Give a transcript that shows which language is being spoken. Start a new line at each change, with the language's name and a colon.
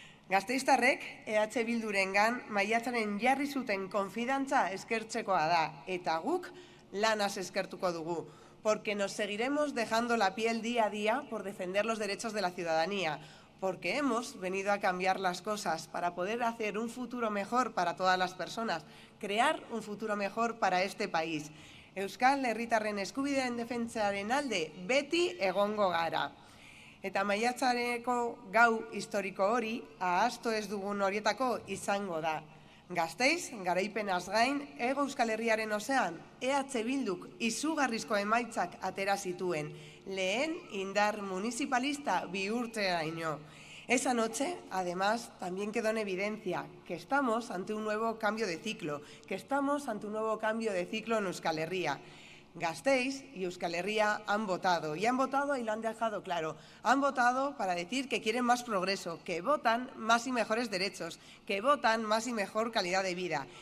Basque: Gasteiztarrek EH Bildurengan maiatzaren jarri zuten konfidantza eskertzekoa da eta guk lanaz eskertuko dugu,
Spanish: porque nos seguiremos dejando la piel día a día por defender los derechos de la ciudadanía, porque hemos venido a cambiar las cosas para poder hacer un futuro mejor para todas las personas, crear un futuro mejor para este país.
Basque: Euskal Herritarren eskubideen defentsaren alde beti egongo gara. Eta maiatzareko gau historiko hori, ahaztu ez dugun horietako izango da. Gasteiz, garaipenaz gain, Ego Euskal Herriaren osean, EH Bilduk izugarrizko emaitzak atera zituen, lehen indar municipalista bihurtzeraino.
Spanish: Esa noche, además, también quedó en evidencia que estamos ante un nuevo cambio de ciclo, que estamos ante un nuevo cambio de ciclo en Euskal Herria. Gasteiz y Euskal Herria han votado, y han votado y lo han dejado claro. Han votado para decir que quieren más progreso, que votan más y mejores derechos, que votan más y mejor calidad de vida.